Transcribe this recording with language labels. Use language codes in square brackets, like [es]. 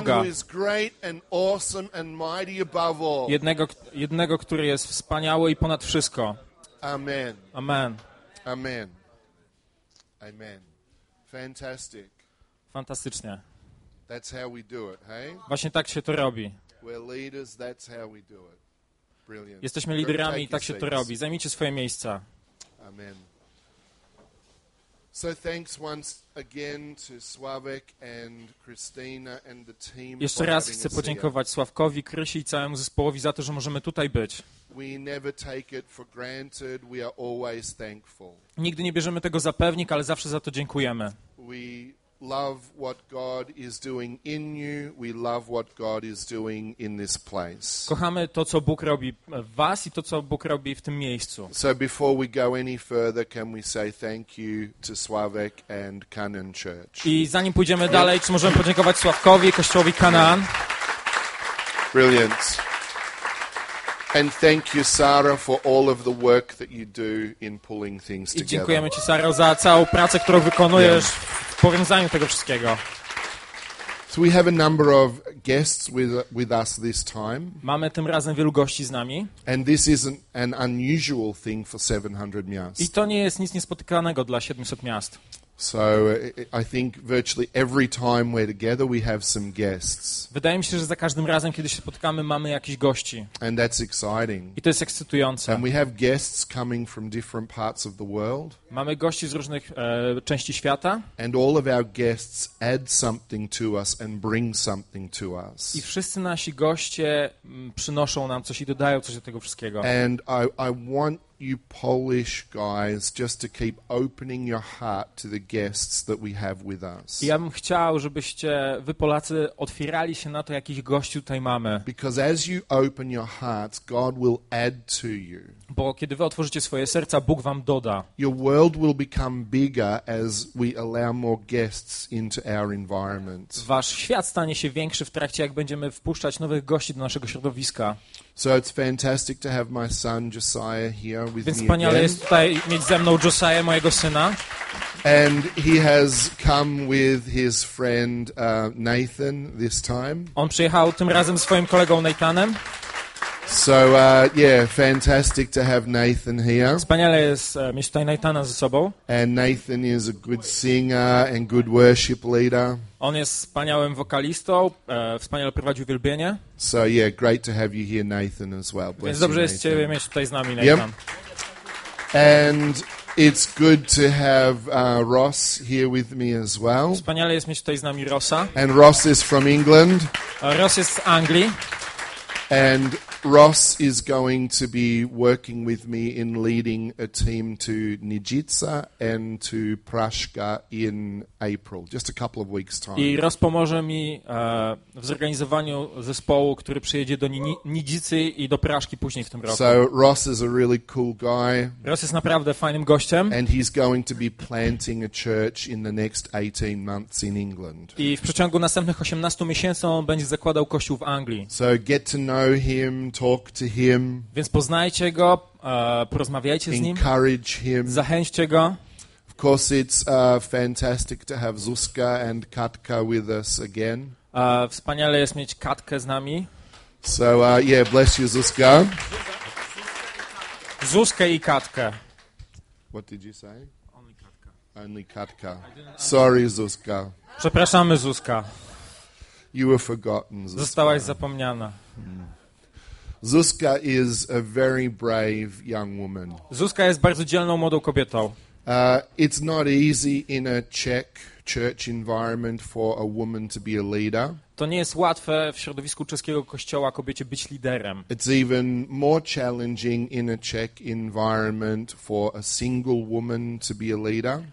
[en] The one who is great and awesome and mighty above all. [pl] Jednego, który jest wspaniały i ponad wszystko. [en] Amen. [pl] Amen. [en] Amen. Amen. Fantastic. [pl] Fantastycznie. [en] That's how we do it, hey? [pl] Właśnie tak się to robi. [en] We're leaders, that's how we do it. Brilliant. [pl] Jesteśmy liderami i tak się to robi. Zajmijcie swoje miejsca. [en] Amen. So thanks once again to Sławek and Christina and the team. [pl] Jeszcze raz chcę podziękować Sławkowi, Krysi i całemu zespołowi za to, że możemy tutaj być. [en] We never take it for granted, we are always thankful. [pl] Nigdy nie bierzemy tego za pewnik, ale zawsze za to dziękujemy. [en] We love what God is doing in you. We love what God is doing in this place. [pl] Kochamy to, co Bóg robi w was i to, co Bóg robi w tym miejscu. [en] So before we go any further, can we say thank you to Sławek and Canaan Church? [pl] I zanim pójdziemy dalej, czy możemy podziękować Sławkowi i Kościołowi Canaan? [en] Brilliant. And thank you, Sarah, for all of the work that you do in pulling things together. [pl] I dziękujemy ci, Sara, za całą pracę, którą wykonujesz. [en] Yeah. [pl] Powiązaniu tego wszystkiego. [en] So we have a number of guests with us this time. [pl] Mamy tym razem wielu gości z nami. [en] And this isn't an unusual thing for 700 miast. [pl] I to nie jest nic niespotykanego dla 700 miast. [en] So I think virtually every time we're together we have some guests. [pl] Wydaje mi się, że za każdym razem kiedy się spotykamy mamy jakichś gości. [en] And that's exciting. [pl] I to jest ekscytujące. [en] And we have guests coming from different parts of the world. [pl] Mamy gości z różnych części świata. [en] And all of our guests add something to us and bring something to us. [pl] I wszyscy nasi goście przynoszą nam coś i dodają coś do tego wszystkiego. [en] And I want you Polish guys just to keep opening your heart to the guests that we have with us. [pl] Ja bym chciał, żebyście wy Polacy otwierali się na to, jakich gości tutaj mamy. [en] Because as you open your hearts, God will add to you. [pl] Bo kiedy wy otworzycie swoje serca, Bóg wam doda. [en] Your world will become bigger as we allow more guests into our environment. [pl] Wasz świat stanie się większy w trakcie, jak będziemy wpuszczać nowych gości do naszego środowiska. [en] So it's fantastic to have my son Josiah here with [pl] Więc [en] me again. [pl] Wspaniale jest tutaj mieć ze mną Josiah, mojego syna. [en] And he has come with his friend Nathan this time. [pl] On przyjechał tym razem swoim kolegą Nathanem. [en] So fantastic to have Nathan here. [pl] Wspaniale jest mieć tutaj Nathana ze sobą. [en] And Nathan is a good singer and good worship leader. [pl] On jest wspaniałym wokalistą, wspaniale prowadzi uwielbienie. [en] So yeah, great to have you here, Nathan, as well. Bless [pl] Więc dobrze [en] you, [pl] jest ciebie mieć tutaj z nami, Nathan. [en] Yep. And it's good to have Ross here with me as well. [pl] Wspaniale jest mieć tutaj z nami Rossa. [en] And Ross is from England. [pl] Ross jest z Anglii. [en] And Ross is going to be working with me in leading a team to Nijica and to Praszka in April, just a couple of weeks' time. [pl] I Ross pomoże mi w zorganizowaniu zespołu, który przyjedzie do Nijicy i do Praszki później w tym roku. [en] So Ross is a really cool guy. [pl] Ross jest naprawdę fajnym gościem. [en] And he's going to be planting a church in the next 18 months in England. [pl] I w przeciągu następnych 18 miesięcy on będzie zakładał kościół w Anglii. [en] So get to know him. Talk to him. [pl] Więc poznajcie go, porozmawiajcie z nim. [en] Encourage him. [pl] Zachęćcie go. [en] Of course, it's fantastic to have Zuzka and Katka with us again. [pl] Wspaniale jest mieć Katkę z nami. [en] So yeah, bless you, Zuzka. [pl] Zuzkę i Katkę. [en] What did you say? Only Katka. Only Katka. Sorry, Zuzka. [pl] Przepraszamy, Zuzka. [en] You were forgotten, Zuzka. [pl] Zostałaś zapomniana. [en] Zuzka is a very brave young woman. [pl] Zuzka jest bardzo dzielną młodą kobietą. [en] It's not easy in a Czech church environment for a woman to be a leader. [pl] To nie jest łatwe w środowisku czeskiego kościoła kobiecie być liderem. [en] It's even more challenging in a Czech environment for a single woman to be a leader.